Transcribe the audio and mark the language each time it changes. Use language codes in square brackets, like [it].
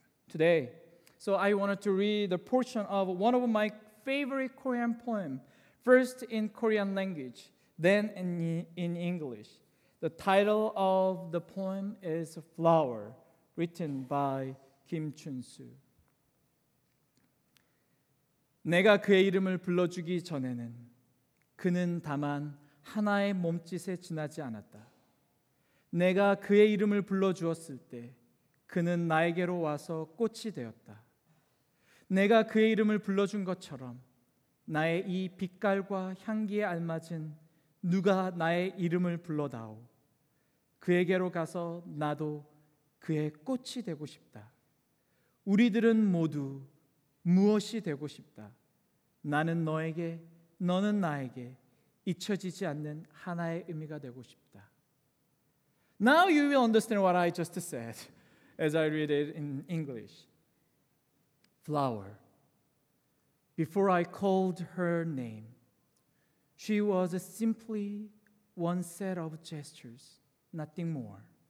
[en] Today, so I wanted to read a portion of one of my favorite Korean poems, first in Korean language, then in English. The title of the poem is Flower, written by Kim Chun-su. [ko] 내가 그의 이름을 불러주기 전에는 그는 다만 하나의 몸짓에 지나지 않았다. 내가 그의 이름을 불러주었을 때 그는 나에게로 와서 꽃이 되었다. 내가 그의 이름을 불러준 것처럼 나의 이 빛깔과 향기에 알맞은 누가 나의 이름을 불러다오. 그에게로 가서 나도 그의 꽃이 되고 싶다. 우리들은 모두 무엇이 되고 싶다. 나는 너에게, 너는 나에게 잊혀지지 않는 하나의 의미가 되고 싶다. [en] Now you will understand what I just said as I read it in English. Flower. Before I called her name, she was simply one set of gestures, nothing more.